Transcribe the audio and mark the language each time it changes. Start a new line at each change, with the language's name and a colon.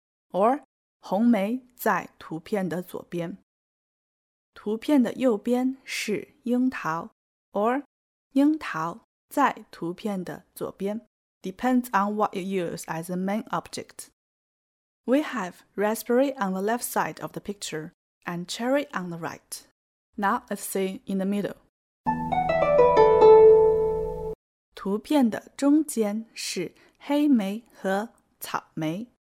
Chinese: Or, 红莓在图片的左边。图片的右边是樱桃。Or, 樱桃在图片的左边。
English: Depends on what you use as a main object. We have raspberry on the left side of the picture and cherry on the right. Now, let's see in the middle.
Chinese: 图片的中间是黑莓和草莓。